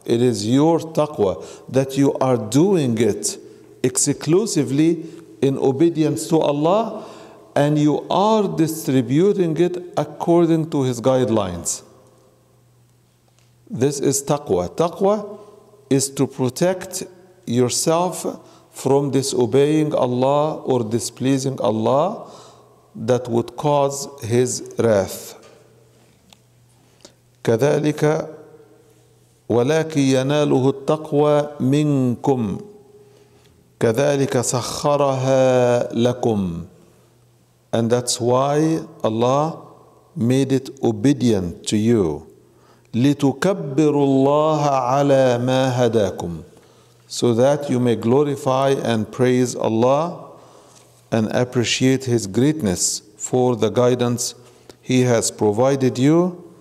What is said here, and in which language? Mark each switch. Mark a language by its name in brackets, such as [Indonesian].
[English] It is your taqwa, that you are doing it exclusively in obedience to Allah, and you are distributing it according to His guidelines. This is taqwa. Taqwa is to protect yourself from disobeying Allah or displeasing Allah that would cause His wrath. [Arabic] كذلك ولكن يناله التقوى منكم كذلك سخرها لكم. [English] And that's why Allah made it obedient to you. [Arabic] لتكبروا الله على ما هداكم, [English] so that you may glorify and praise Allah and appreciate His greatness for the guidance He has provided you.